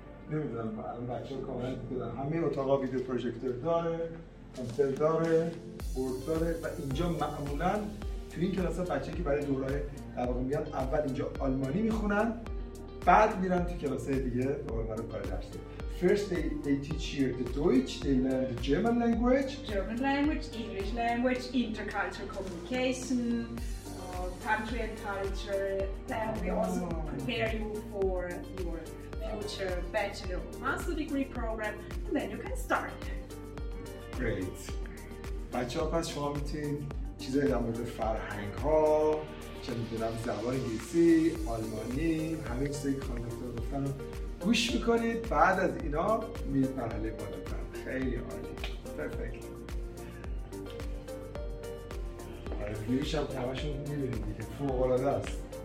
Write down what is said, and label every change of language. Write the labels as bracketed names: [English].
[Persian] نمیدونم بچه ها کامنت بودن همه اتاقا ویدیو پروژکتور داره کامپیوتر داره بورد داره و اینجا معمولا توی این کلاس ها بچه که برای دورهای در واقع میاد اول اینجا آلمانی میخونن بعد میرن توی کلاس های دیگه دوباره برای کار درس [English] First they teach here the Deutsch, they learn the German language. German language, English language, intercultural communication, country and culture. Then we also prepare you for your future bachelor master degree program and then you can start. Great. [Persian] بچه ها پس شما میتونید چیزایی در مورد فرهنگ ها چه میدونم زبان انگلیسی آلمانی همه چیزایی که خانم دکتر گفتن رو گوش میکنید بعد از اینا میرید مرحله بالاتر خیلی عالی پرفکت آره ویوش هم تماشون میبینید دیگه فوق‌العاده است